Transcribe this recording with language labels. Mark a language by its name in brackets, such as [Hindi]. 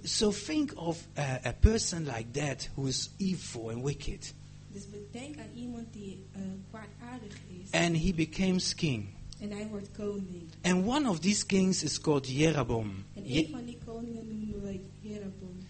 [English] So think of a person like that who is evil and wicked. [Dutch] Dus bedenk aan iemand die kwaadaardig is. [English] And he becomes king. [Dutch] En hij wordt koning. [English] And one of these kings is called Jeroboam. [Dutch] En een van die koningen noemen we Jeroboam.